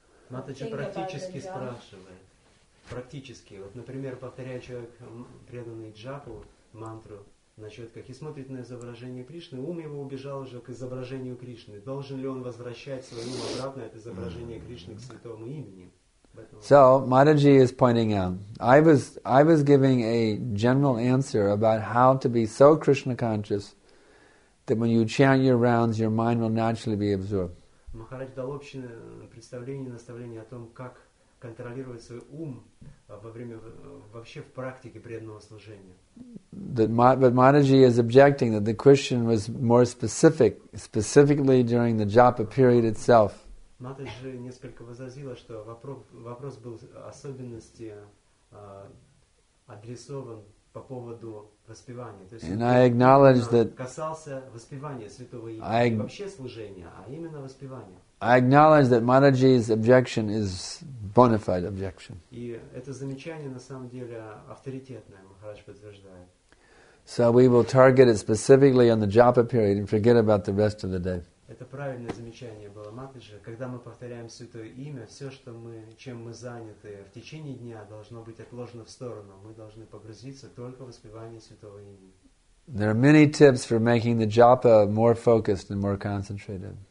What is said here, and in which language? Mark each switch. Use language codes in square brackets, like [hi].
[ru] Матача практически спрашивает. Практически. Вот, например, повторяя человек, преданный джапу, мантру на четках, и смотрит на изображение Кришны, ум его убежал уже к изображению Кришны. Должен ли он возвращать свой ум обратно от изображения Кришны к святому имени? [en] So, Mataji is pointing out, I was giving a general answer about how to be so Krishna conscious that when you chant your rounds, your mind will naturally be absorbed. [ru] Махарадж дал общее представление, наставление о том, как контролировать свой ум во время, вообще в практике преданного служения. [en] But Mataji is objecting that the Christian was more specific, specifically during the japa period itself. [ru] Матаджи несколько возразила, что вопрос был особенности адресован по поводу воспевания. То есть, [en] and I acknowledge that [ru] касался воспевания святого имени, вообще служения, а именно воспевания. [en] I acknowledge that Mataji's objection is bona fide objection. [ru] И это замечание на самом деле авторитетное, Махарадж подтверждает. [en] So we will target it specifically on the japa period and forget about the rest of the day. [ru] Это правильное замечание было Матаджи. Когда мы повторяем святое имя, все, что мы, чем мы заняты в течение дня, должно быть отложено в сторону. Мы должны погрузиться только в воспевание святого имени. [en] There are many tips for making the japa more focused and more concentrated.